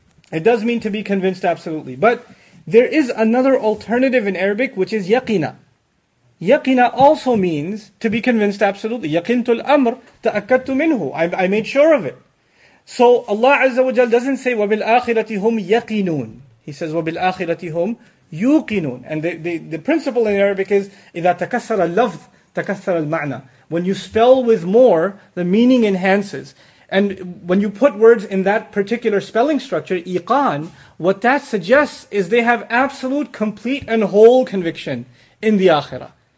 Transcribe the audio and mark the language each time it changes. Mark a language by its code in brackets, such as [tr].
[en] It does mean to be convinced absolutely. But there is another alternative in Arabic, which is yaqina. Yaqina also means to be convinced absolutely. [ar] Yaqintu al-amr ta'akkadtu minhu. [en] I made sure of it. So Allah Azza wa Jalla doesn't say, [ar] وَبِالْ آخِرَةِ هُمْ يَقِنُونَ. [en] He says, [ar] وَبِالْ آخِرَةِ هُمْ يُوقِنُونَ. [en] And the principle in Arabic is, [ar] إِذَا تَكَسَّرَ اللَّفْظ تَكَسَّرَ الْمَعْنَى. [en] When you spell with more, the meaning enhances. And when you put words in that particular spelling structure, iqan, what that suggests is they have absolute, complete and whole conviction in the Akhirah.